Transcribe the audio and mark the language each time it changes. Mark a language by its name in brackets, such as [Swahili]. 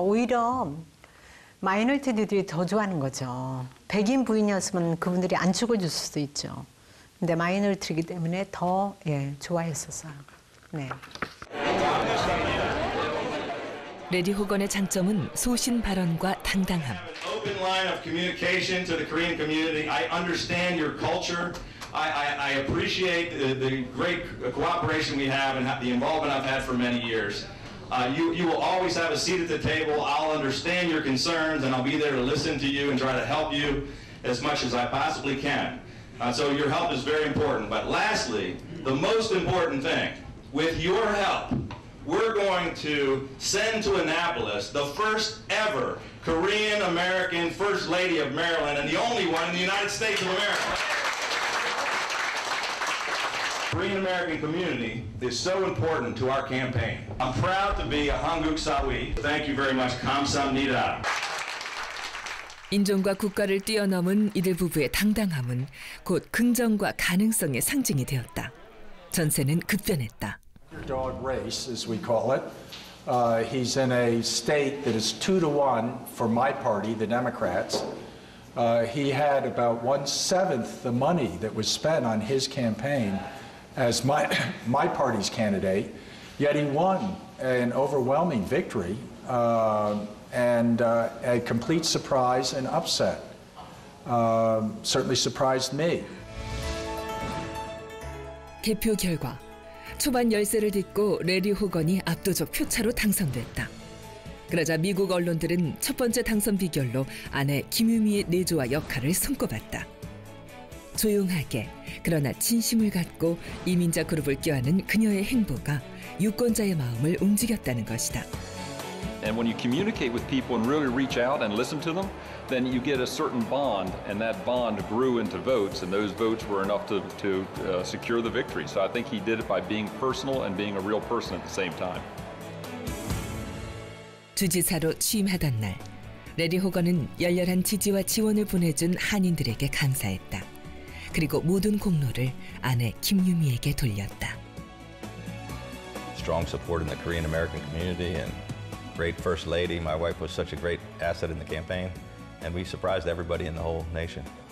[Korean] 오히려 마이너리티들이 더 좋아하는 거죠. 백인 부인이었으면 그분들이 안 죽어줄 수도 있죠. 근데 마이너리티이기 때문에 더 좋아했었어요. 네. 레디 호건의 장점은 소신 발언과 당당함. [English] Open line of communication to the Korean community. I understand your culture. I appreciate the great cooperation we have and the involvement I've had for many years. You will always have a seat at the table. I'll understand your concerns and I'll be there to listen to you and try to help you as much as I possibly can. So your help is very important. But lastly, the most important thing, with your help, we're going to send to Annapolis the first ever Korean-American First Lady of Maryland and the only one in the United States of America. Korean-American community is so important to our campaign. I'm proud to be a Hanguk Sawi. Thank you very much. [Korean] 감사합니다. 인종과 국가를 뛰어넘은 이들 부부의 당당함은 곧 긍정과 가능성의 상징이 되었다. 전세는 급변했다. [English] Your dog race, as we call it. He's in a state that is 2-1 for my party, the Democrats. He had about 1/7 the money that was spent on his campaign as my party's candidate, yet he won an overwhelming victory. And a complete surprise and upset certainly surprised me. [Korean] 개표 결과 초반 열세를 딛고 래리 호건이 압도적 표차로 당선됐다. 그러자 미국 언론들은 첫 번째 당선 비결로 아내 김유미의 내조와 역할을 손꼽았다. 조용하게 그러나 진심을 갖고 이민자 그룹을 꾀하는 그녀의 행보가 유권자의 마음을 움직였다는 것이다. [English] And when you communicate with people and really reach out and listen to them, then you get a certain bond, and that bond grew into votes, and those votes were enough to secure the victory. So I think he did it by being personal and being a real person at the same time. [Korean] 주지사로 취임하던 날, 래리 호건은 열렬한 지지와 지원을 보내준 한인들에게 감사했다. 그리고 모든 공로를 아내 김유미에게 돌렸다. [English] Strong support in the Korean American community and great first lady. My wife was such a great asset in the campaign, and we surprised everybody in the whole nation.